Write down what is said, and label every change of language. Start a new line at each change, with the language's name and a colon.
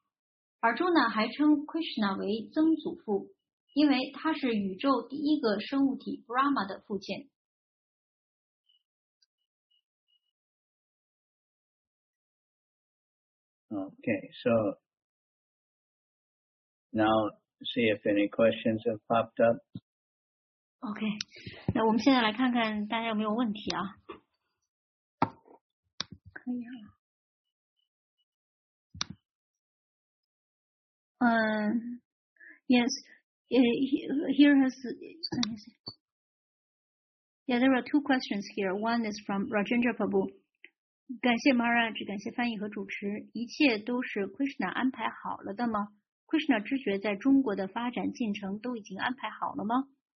Chinese: 要指这里把至尊主称为空气，因为空气无所不在，它是全体半神人最重要的代表。Arjuna还称 Krishna 为曾祖父，因为他是宇宙第一个生物体 Brahma 的父亲。Okay,
English: so now see if any questions have popped up.
Chinese: OK， 那我们现在来看看大家有没有问题啊？可以啊。
English: Yes， here has let me see. Yeah， there are two questions here. One is from Rajendra Prabhu.
Chinese: 感谢 Maharaj， 感谢翻译和主持，一切都是 Krishna 安排好了的吗 ？Krishna 知觉在中国的发展进程都已经安排好了吗？